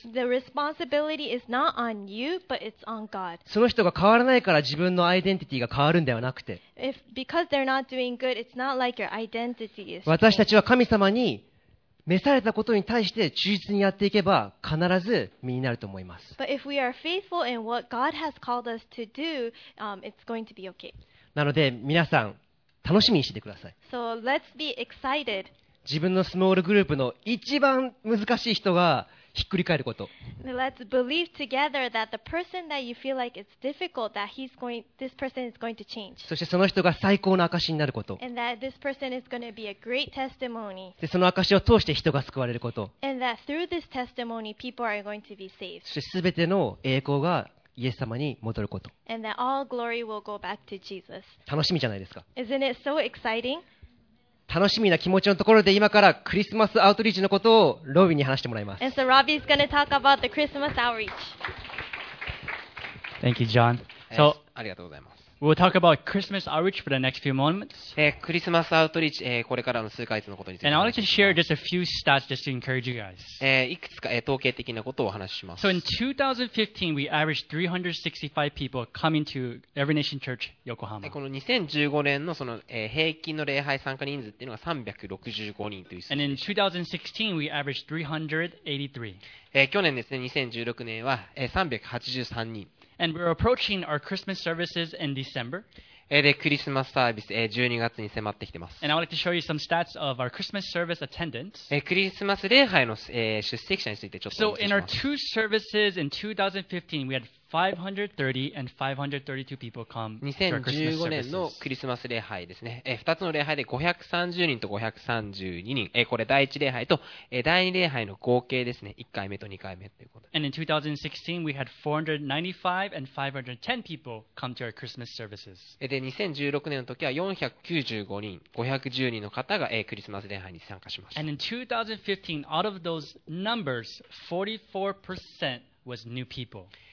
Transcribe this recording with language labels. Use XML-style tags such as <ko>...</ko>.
<en>The responsibility is not on you, but it's on God.</en> <ja>その人が変わらないから自分のアイデンティティが変わるんではなくて、</ja> <en>If because they're not doing good, it's not like your identity is changed.</en> <ja>私たちは神様に召されたことに対して忠実にやっていけば必ず身になると思います。</ja> <en>But if we are faithful in what God has called us to do, it's going to be okay.</en> <ja>なので皆さん楽しみにしてください。</ja> <en>So let's be excited.</en> <ja>自分のスモールグループの一番難しい人がひっくり返ること。</ja> <en>Let's believe together that the person that you feel like it's difficult, that he's going, this person is going to change.</en> <ja>そしてその人が最高の証になること。</ja> <en>And that this person is going to be a great testimony.</en> <ja>でその証を通して人が救われること。</ja> <en>And that through this testimony, people are going to be saved.</en> <ja>そしてすべての栄光がイエス様に戻ること。</ja> <en>And that all glory will go back to Jesus.</en> <ja>楽しみじゃないですか。</ja> <en>Isn't it so exciting?</en> <ja>楽しみな気持ちのところで今からクリスマスアウトリーチのことをロビーに話してもらいます。</ja> <en>And so Robbie's going to talk about the Christmas outreach. Thank you, John.</en> <ja>So, ありがとうございます。</ja> <en>We'll talk about Christmas outreach for the next few moments.</en> <ja>クリスマスアウトリーチ、これからの数ヶ月のことについて。</ja> <en>And I want to share just a few stats just to encourage you guys.</en> <ja>いくつか、統計的なことをお話しします。</ja> <en>So in 2015, we averaged 365 people coming to Every Nation Church Yokohama.</en> <ja>この2015年のその、平均の礼拝参加人数っていうのが365人という数字。</ja> <en>And in 2016, we averaged 383.</en> <ja>去年ですね、2016年は、383人。</ja> <en>And we're approaching our Christmas services in December.</en> <ja>で、クリスマスサービス、12月に迫ってきてます。</ja> <en>And I would like to show you some stats of our Christmas service attendance.</en> <ja>クリスマス礼拝の、出席者についてちょっとお見せします。</ja> <en>So in our two services in 2015, we had 530 and 532 people come to our Christmas services. 2015</en> <ja>年のクリスマス礼拝ですね。2つの礼拝で530人と532人。これ第1礼拝と、第2礼拝の合計ですね。1回目と2回目ということで。</ja> <en>And in 2016, we had 495 and 510 people come to our Christmas services.</en> <ja>で、2016年の時は495人、510人の方が、クリスマス礼拝に参加しました。</ja> <en>And in 2015, out of those numbers, 44% was new people.</en>